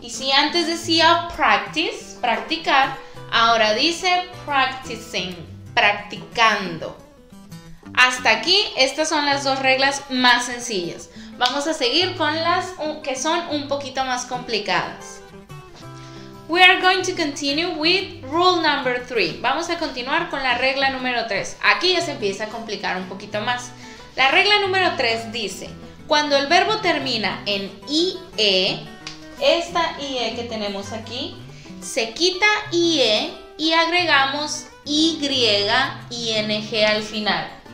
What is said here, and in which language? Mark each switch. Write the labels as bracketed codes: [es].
[es] Y si antes decía practice, practicar, ahora dice practicing, practicando. Hasta aquí, estas son las dos reglas más sencillas. Vamos a seguir con las que son un poquito más complicadas. [en] We are going to continue with rule number 3. [es] Vamos a continuar con la regla número 3. Aquí ya se empieza a complicar un poquito más. La regla número 3 dice, cuando el verbo termina en IE, esta IE que tenemos aquí, se quita IE y agregamos YING al final.